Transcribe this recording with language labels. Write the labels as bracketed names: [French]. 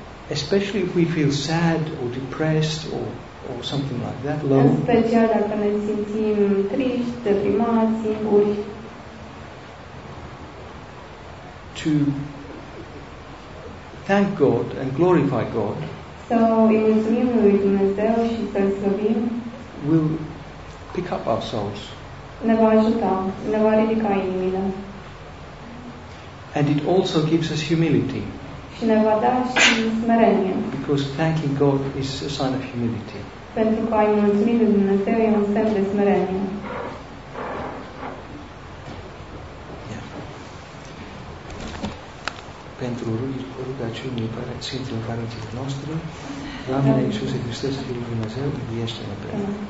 [English] Especially if we feel sad or depressed or something like that, low. [Romanian] În special dacă ne simțim triști, deprimați, singuri. [English] To thank God and glorify God. [Romanian] Să îi mulțumim lui Dumnezeu și să-l slăvim. [English] Will pick up our souls. [Romanian] ne va ajuta, ne va ridica inimile. [English] And it also gives us humility. [Romanian] Și ne va da și smerenie. [English] Because thanking God is a sign of humility. [Romanian] Pentru că ai mulțumit de Dumnezeu e un semn de smerenie. Pentru rugăciunii Sfinților Părinților noștri, Doamne Iisuse Hristos, Fiul Dumnezeu, iubiește-ne pe noi.